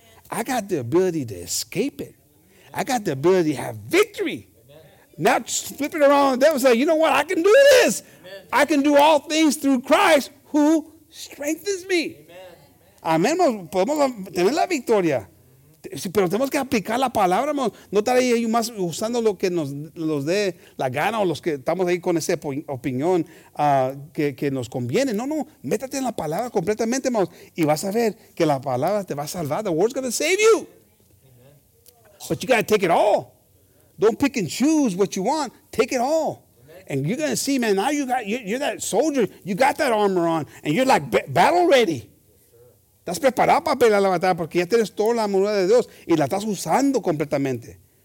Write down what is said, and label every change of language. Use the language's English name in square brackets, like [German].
[English] I got the ability to escape it. I got the ability to have victory. Not flipping around the devil and say, you know what? I can do this. Amen. I can do all things through Christ who strengthens me. [Spanish] Amen. Amen. Podemos tener la victoria. Pero tenemos que aplicar la palabra. No estar ahí más usando lo que nos dé la gana o los que estamos ahí con esa opinión que nos conviene. No, métete en la palabra completamente, hermanos, y vas a ver que la palabra te va a salvar. [English] The word's going to save you. Amen. But you got to take it all. Don't pick and choose what you want. Take it all. Amen. And you're going to see, man, now you're that soldier. You got that armor on and you're like battle ready. [Spanish] Estás preparado para pelear la batalla porque ya tienes toda la armadura de Dios y la estás usando completamente.